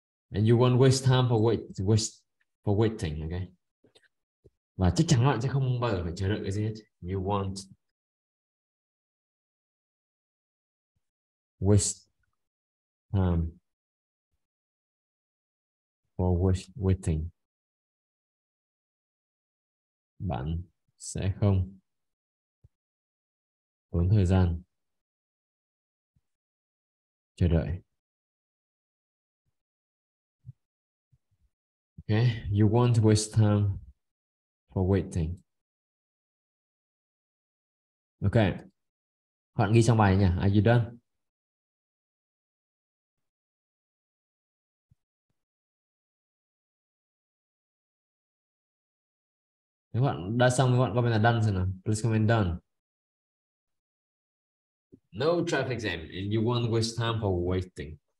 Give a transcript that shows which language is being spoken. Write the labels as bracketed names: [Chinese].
[English] And you won't waste time for waiting, okay? [Vietnamese] Và chắc chắn bạn sẽ không bao giờ phải chờ đợi cái gì hết. [English] You won't waste time for waiting. [Vietnamese] Bạn sẽ không tốn thời gian chờ đợi. [English] Okay, you won't waste time for waiting. [Vietnamese] Okay, bạn ghi trong bài nhỉ? [English] Are you done? [Vietnamese] Nếu bạn đã xong thì bạn comment là done rồi nào. [English] Please comment done. No traffic jam, and you won't waste time for waiting.